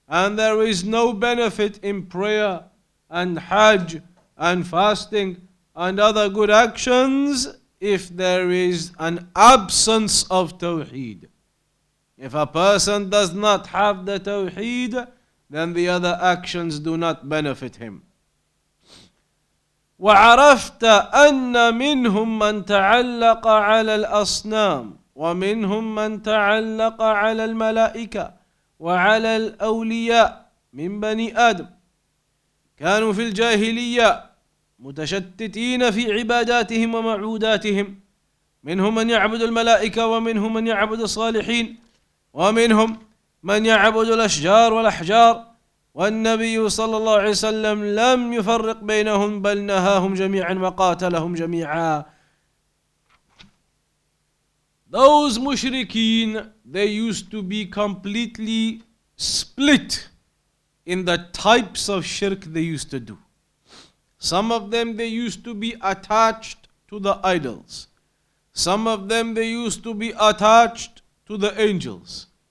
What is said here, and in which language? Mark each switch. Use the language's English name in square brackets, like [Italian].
[English] And there is no benefit in prayer and hajj and fasting and other good actions if there is an absence of tawhid. If a person does not have the tawhid, then the other actions do not benefit him. [Arabic] وَعَرَفْتَ أَنَّ مِنْهُمْ مَنْ تَعَلَّقَ عَلَى الْأَصْنَامِ وَمِنْهُمْ مَنْ تَعَلَّقَ عَلَى الْمَلَائِكَةِ وَعَلَى الْأَوْلِيَاءِ مِنْ بَنِي آدَمَ كانوا في الجاهلية متشتتين في عباداتهم ومعوداتهم منهم من يعبد الملائكة ومنهم من يعبد الصالحين ومنهم من يعبد الأشجار والأحجار والنبي صلى الله عليه وسلم لم يفرق بينهم بل نهاهم جميعا وقاتلهم جميعا. [English] Those mushrikeen, they used to be completely split in the types of shirk they used to do. Some of them, they used to be attached to the idols. Some of them, they used to be attached to the angels.